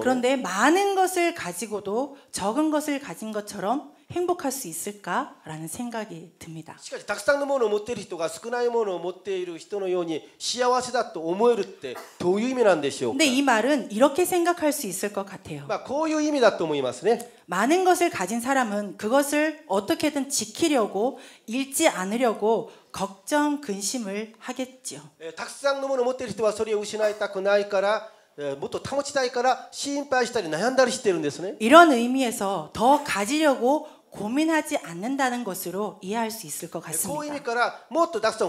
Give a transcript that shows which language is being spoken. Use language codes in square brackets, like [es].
[ko] 그런데 많은 것을 가지고도 적은 것을 가진 것처럼 행복할 수 있을까라는 생각이 듭니다. [ja] しかしたくさんのものを持っている人が少ないものを持っている人のように幸せだと思えるってどういう意味なんでしょう。 [ko] 근데 이 말은 이렇게 생각할 수 있을 것 같아요. [ja] まあこういう意味だと思いますね。 [ko] 많은 것을 가진 사람은 그것을 어떻게든 지키려고 잃지 않으려고 걱정 근심을 하겠죠. [ja] たくさんのものを持っている人はそれを失いたくないから 못と保ちたいから心配したり悩んだりしてるんですね。 [ko] 이런 의미에서 더 가지려고 고민하지 않는다는 것으로 이해할 수 있을 것 같습니다.